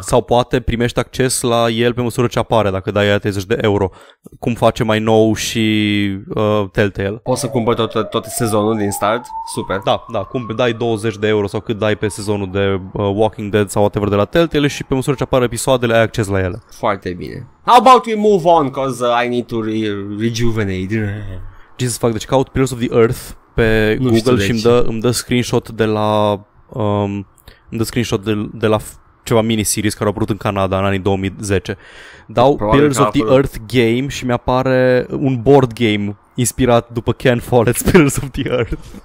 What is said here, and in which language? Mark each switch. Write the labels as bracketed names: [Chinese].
[Romanian] Sau poate primești acces la el pe măsură ce apare, dacă dai 30 de euro. Cum face mai nou și Telltale. Poți să cumpăr tot sezonul din start? Super. Da, da. Cumpăr, dai 20 de euro sau cât dai pe sezonul de Walking Dead sau whatever de la Telltale și pe măsură ce apare episoadele ai acces la ele. Foarte bine. [English] How about we move on, cause I need to rejuvenate. Jesus fuck, [Romanian] deci caut Pillars of the Earth pe nu Google și îmi dă screenshot de la îmi dă screenshot de la ceva miniseries care au apărut în Canada în anii 2010. Dau Pillars of the Earth game și mi-apare un board game inspirat după Ken Follett's Pillars of the Earth.